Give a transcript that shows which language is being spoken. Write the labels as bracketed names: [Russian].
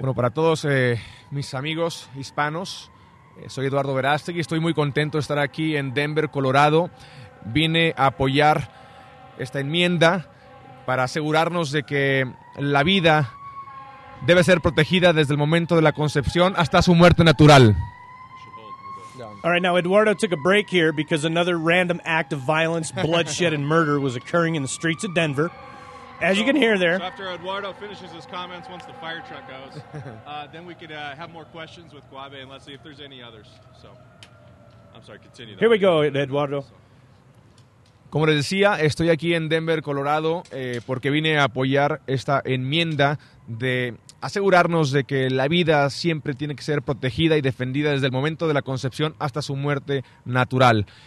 [Spanish] Bueno, para todos mis amigos hispanos, soy Eduardo Verástegui. Estoy muy contento de estar aquí en Denver, Colorado. Vine a apoyar esta enmienda para asegurarnos de que la vida debe ser protegida desde el momento de la concepción hasta su muerte natural. [English] All right, now Eduardo took a break here because another random act of violence, bloodshed, and murder was occurring in the streets of Denver. You can hear there. So after Eduardo finishes his comments, once the fire truck goes, then we could have more questions with Guave and Leslie if there's any others. So, I'm sorry, continue. Here we go, Eduardo. [Spanish] Como les decía, estoy aquí en Denver, Colorado, porque vine a apoyar esta enmienda de asegurarnos de que la vida siempre tiene que ser protegida y defendida desde el momento de la concepción hasta su muerte natural.